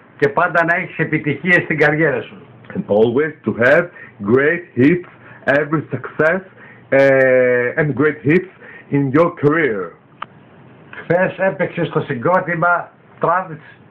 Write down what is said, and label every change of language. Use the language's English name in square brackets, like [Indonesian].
[Greek] Και πάντα να έχεις επιτυχίες στην καριέρα σου. [English] And always to have great hits, every success and great hits in your career. [Greek] Χθες έπαιξες στο συγκρότημα Travis.